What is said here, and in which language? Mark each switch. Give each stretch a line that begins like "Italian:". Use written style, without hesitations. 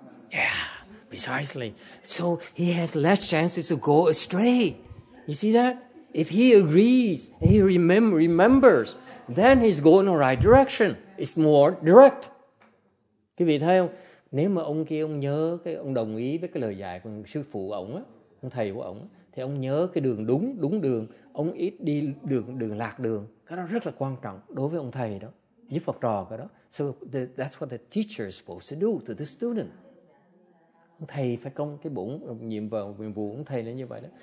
English: Yeah, precisely. So he has less chances to go astray. You see that? If he agrees, he remembers, then he's going the right direction. It's more direct.
Vietnamese: Quý vị thấy không? Nếu mà ông kia ông nhớ, cái ông đồng ý với cái lời dạy của sư phụ ông á, ông thầy của ông, thì ông nhớ cái đường đúng đường, ông ít đi đường lạc đường. Cái đó rất là quan trọng đối với ông thầy đó, giúp học trò cái đó.
English: So that's what the teacher is supposed to do to the student.
Vietnamese: Ông thầy phải công cái bổn nhiệm vào nhiệm vụ ông thầy là như vậy đó.